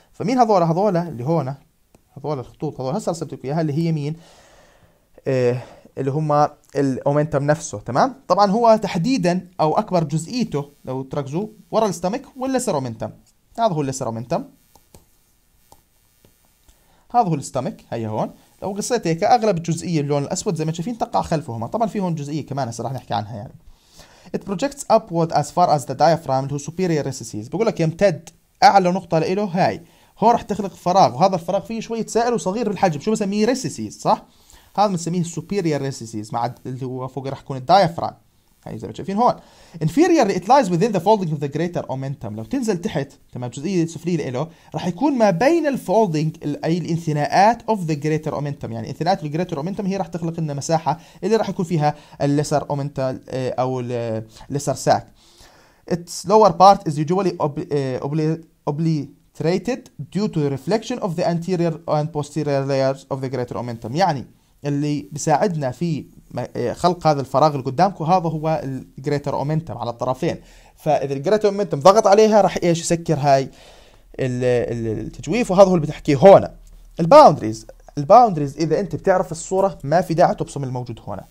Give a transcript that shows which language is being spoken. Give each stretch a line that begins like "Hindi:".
Arabic: فمين هذول؟ هذول اللي هون، هذول الخطوط، هذول هسه رسمت لكم اياها، اللي هي مين؟ اللي هم الاومنتم نفسه، تمام؟ طبعا هو تحديدا او اكبر جزئيته لو تركزوا ورا الاستمك والليسر اومنتم، هذا هو الليسر اومنتم، هذا هو الاستمك، هي هون. لو قصيت هيك اغلب الجزئيه اللون الاسود زي ما شايفين تقع خلفهما، طبعا في هون جزئيه كمان هسه راح نحكي عنها يعني.
English: It projects upward as far as the diaphragm
Arabic: اللي هو superior recesses، بقول لك يمتد اعلى نقطه له هاي. هون راح تخلق فراغ، وهذا الفراغ فيه شوية سائل وصغير بالحجم، شو بسميه؟ ريسيسيز، صح؟ هذا بنسميه السوبيريور ريسيسيز، مع اللي هو فوق راح يكون الدايفرام، هاي زي ما شايفين هون.
English: inferior it lies within the folding of the greater omentum,
Arabic: لو تنزل تحت، تمام، الجزئية السفلية له راح يكون ما بين الفولدنج اي الانثناءات اوف ذا جريتر اومنتم، يعني انثناءات الجريتر اومنتم هي راح تخلق لنا مساحة اللي راح يكون فيها الليسر اومنتال او الليسر ساك.
English: Its lower part is usually obliterated due to the reflection of the anterior and posterior layers of the greater omentum.
Arabic: يعني اللي بيساعدنا في خلق هذا الفراغ اللي قدامكم هذا هو الجريتر اومنتم على الطرفين، فاذا الجريتر اومنتم ضغط عليها راح ايش؟ يسكر هاي التجويف، وهذا هو اللي بتحكيه هون. الباوندريز، الباوندريز اذا انت بتعرف الصوره ما في داعي تبصم الموجود هون.